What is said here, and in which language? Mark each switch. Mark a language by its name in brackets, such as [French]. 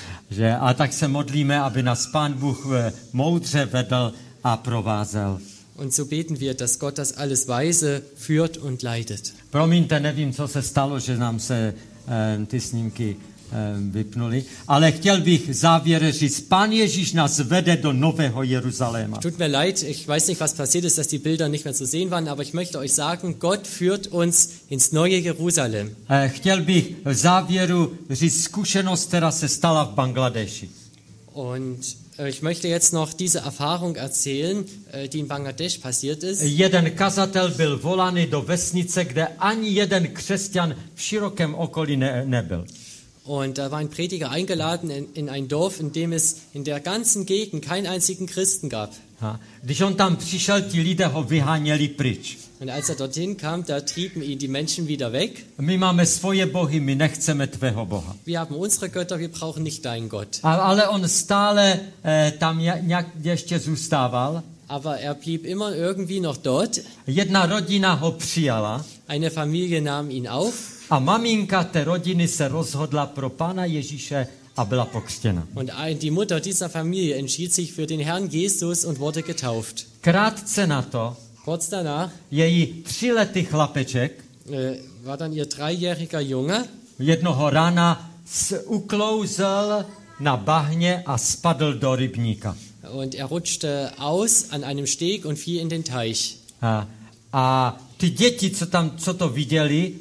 [Czech] Že, a tak se modlíme, aby nás Pán Bůh moudře vedl a provázel. [German] Und so beten wir, dass Gott das alles weise führt und leitet. [Czech] Promiňte, nevím, co se stalo, že nám se ty snímky vypnuli. Ale chtěl bych závěr říct, Pán Ježíš nás vede do Nového Jeruzaléma. [German] Tut mir leid, ich weiß nicht, was passiert ist, dass die Bilder nicht mehr zu sehen waren, aber ich möchte euch sagen, Gott führt uns ins Neue Jeruzalém. [Czech] Chtěl bych v závěru říct zkušenost, která se stala v Bangladeši. [German] Und ich möchte jetzt noch diese Erfahrung erzählen, die in Bangladesch passiert ist. [Czech] Jeden kazatel byl volaný do vesnice, kde ani jeden křesťan v širokém okolí nebyl. [German] Und da war ein Prediger eingeladen in ein Dorf, in dem es in der ganzen Gegend keinen einzigen Christen gab. Ha. [Czech] Když on tam přišel, ti lidé ho vyháněli pryč. [German] Und als er dorthin kam, da trieben ihn die Menschen wieder weg. [Czech] My máme svoje bohy, my nechceme tvého Boha. [German] Wir haben unsere Götter, wir brauchen nicht deinen Gott. [Czech] Ale on stále tam nějak ještě zůstával. [German] Aber er blieb immer irgendwie noch dort. [Czech] Jedna rodina ho přijala. [German] Eine Familie nahm ihn auf. [Czech] A maminka té rodiny se rozhodla pro Pána Ježíše a byla pokřtěna. [German] Und die Mutter dieser Familie entschied sich für den Herrn Jesus und wurde getauft. [Czech] Krátce na to, [German] kurz danach, [Czech] její tříletý chlapeček, [German] war dann ihr dreijähriger Junge, [Czech] jednoho rána uklouzl na bahně a spadl do rybníka. [German] Und er rutschte aus an einem Steg und fiel in den Teich. [Czech] A ty děti, co tam, co to viděli,